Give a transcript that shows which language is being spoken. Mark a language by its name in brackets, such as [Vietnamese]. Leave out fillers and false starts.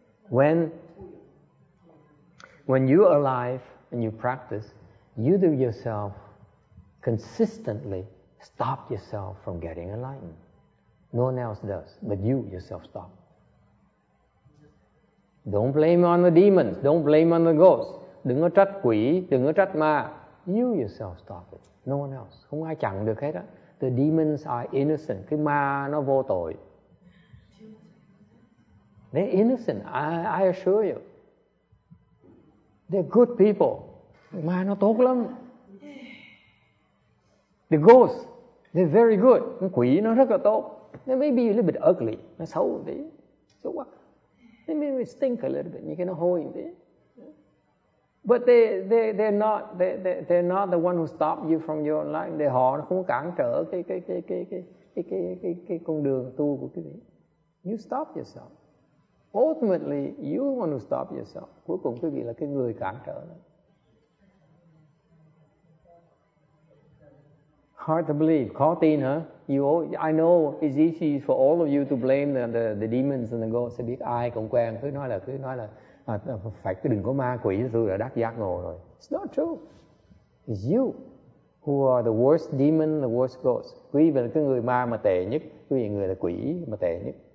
[English] When you are alive and you practice, you do yourself consistently stop yourself from getting enlightened. No one else does, but you yourself stop. Don't blame on the demons. Don't blame on the ghosts. [Vietnamese] Đừng có trách quỷ, đừng có trách ma. [English] You yourself stop it. No one else. [Vietnamese] Không ai chặn được hết á. [English] The demons are innocent. [Vietnamese] Cái ma nó vô tội. Chứ [English] They're innocent, I assure you. They're good people. [Vietnamese] Mà nó tốt lắm. [English] The ghost, they're very good. [Vietnamese] Cái quỷ nó rất là tốt. [English] They may be a little bit ugly. [Vietnamese] Nó xấu một tí. [English] So what? They may stink a little bit. [Vietnamese] Như cái nó hôi một tí. [English] But they're not the one who stopped you from your life. [Vietnamese] They họ nó không cản trở cái con đường tu của cái gì. [English] You stop yourself. Ultimately, you want to stop yourself. [Vietnamese] Cuối cùng quý vị là cái người cản trở. [English] Hard to believe. [Vietnamese] Khó tin, hả? [English] I know it's easy for all of you to blame the demons and the ghosts. [Vietnamese] Sẽ biết ai cũng quen. Cứ nói là phải cứ đừng có ma quỷ. Tôi đã đắc giác ngộ rồi. [English] It's not true. It's you who are the worst demon, the worst ghost. [Vietnamese] Quý vị là cái người ma mà tệ nhất. Quý vị là người là quỷ mà tệ nhất.